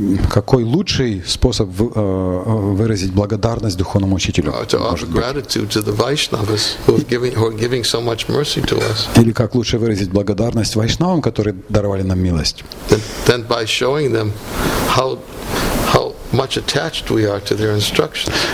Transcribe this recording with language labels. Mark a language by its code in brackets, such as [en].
[ru] Какой лучший способ выразить благодарность духовному учителю? [en] To offer gratitude to the Vaishnavas who are giving so much mercy to us. [ru] Или как лучше выразить благодарность вайшнавам, которые даровали нам милость? [en] Then by showing them how much attached we are to their instructions.